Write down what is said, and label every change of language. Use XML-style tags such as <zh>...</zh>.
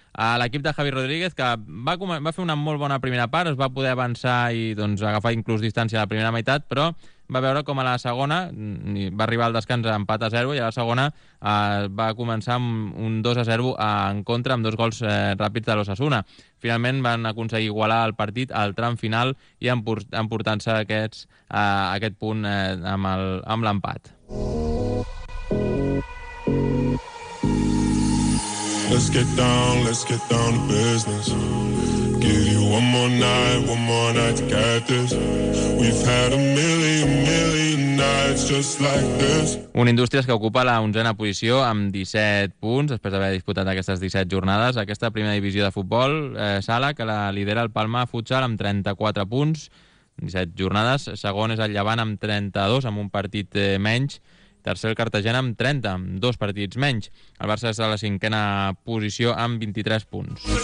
<ca>A l'equip de Javi Rodríguez, que va fer una molt bona primera part, es va poder avançar i doncs, agafar inclús distància a la primera meitat, però va veure com a la segona, va arribar al descans a empat a 0, i a la segona va començar amb un 2-0 en contra, amb dos gols ràpids de l'Osasuna. Finalment van aconseguir igualar el partit al tram final i emportant-se aquest punt amb l'empat.</ca> <en>Let's get down to business. Give you one more night to get this. We've had a million, million nights just like this.</en> <ca>Un Indústries que ocupa la 11a posició amb 17 punts després d'haver disputat aquestes 17 jornades. Aquesta primera divisió de futbol, Sala, que la lidera el Palma Futsal amb 34 punts, 17 jornades. Segon és el Llevant amb 32, amb un partit menys. Tercer, el Cartagena, amb 30, amb dos partits menys. El Barça és a la cinquena posició, amb 23 punts.</ca>